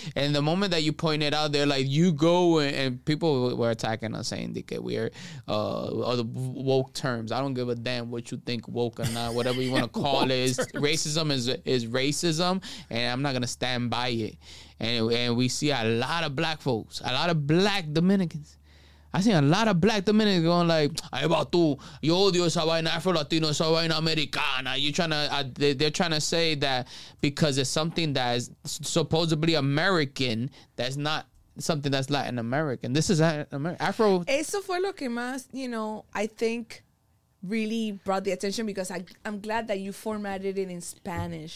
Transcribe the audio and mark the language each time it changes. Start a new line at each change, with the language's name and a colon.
English: And the moment that you point it out, they're like, you go and people were attacking us saying that we are the woke terms. I don't give a damn what you think, woke or not, whatever you want to call it. Racism is racism, and I'm not going to stand by it. And we see a lot of black folks, a lot of black Dominicans, I seen a lot of black Dominicans going like,
Spanish: ay, va tú. Yo odio esa vaina afro-latino, esa vaina americana.
English: You're trying to, they're trying to say that because it's something that is supposedly American, that's not something that's Latin American. This is Afro.
Spanish: Eso fue lo que más,
English: you know, I think really brought the attention because I'm glad that you formatted it in Spanish.